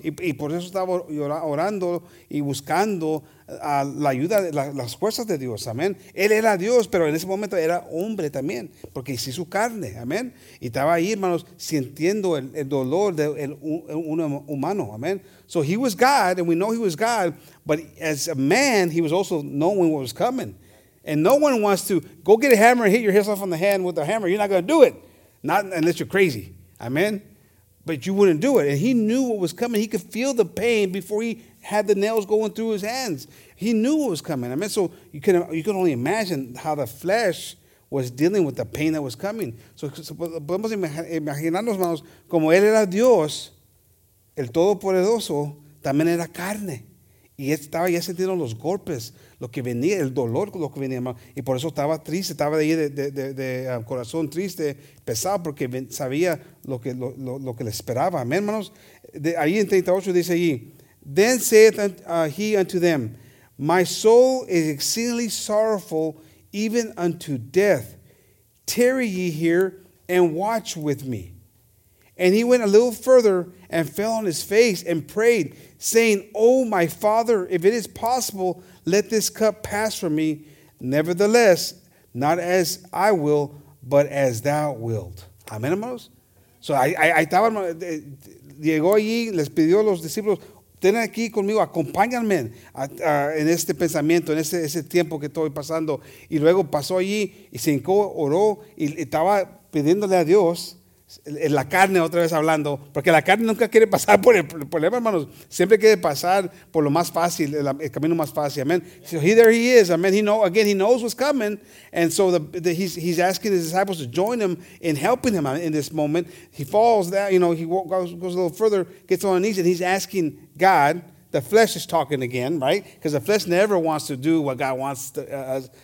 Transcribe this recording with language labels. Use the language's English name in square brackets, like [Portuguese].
[Spanish] Y por eso estaba orando y buscando la ayuda, las fuerzas de Dios. Amén. Él era Dios, pero en ese momento era hombre también, porque hizo su carne. Amén. Y estaba ahí, hermanos, sintiendo el dolor de un humano. Amén. [English] So he was God, and we know he was God, but as a man, he was also knowing what was coming. And no one wants to go get a hammer and hit yourself on the hand with a hammer. You're not going to do it. Not unless you're crazy. Amen. But you wouldn't do it. And he knew what was coming. He could feel the pain before he had the nails going through his hands. He knew what was coming. Amen. So you can only imagine how the flesh was dealing with the pain that was coming. [Spanish] So podemos imaginarnos, hermanos, como él era Dios, el Todopoderoso, también era carne. Y estaba ya sintiendo los golpes, lo que venía, el dolor, lo que venía, hermano. Y por eso estaba triste, estaba ahí de corazón triste, pesado, porque sabía lo que le esperaba. [English] Amén, hermanos. [Spanish] Ahí en 38 dice allí, [English] then saith he unto them, my soul is exceedingly sorrowful, even unto death. Tarry ye here and watch with me. And he went a little further and fell on his face and prayed, saying, oh, my Father, if it is possible, let this cup pass from me. Nevertheless, not as I will, but as thou wilt. Amen, hermanos. [Spanish] So I estaba, llegó allí, les pidió a los discípulos, ten aquí conmigo, acompáñanme en este pensamiento, en ese tiempo que estoy pasando. Y luego pasó allí y se hincó, oró y estaba pidiéndole a Dios. La carne otra vez hablando, porque la carne nunca quiere pasar por el problema, hermanos. Siempre quiere pasar por lo más fácil, el camino más fácil. [English] Amen. So there he is. Amen. He knows what's coming, and so he's asking his disciples to join him in helping him in this moment. He falls down, you know. He goes a little further, gets on his knees, and he's asking God. The flesh is talking again, right? Because the flesh never wants to do what God wants to.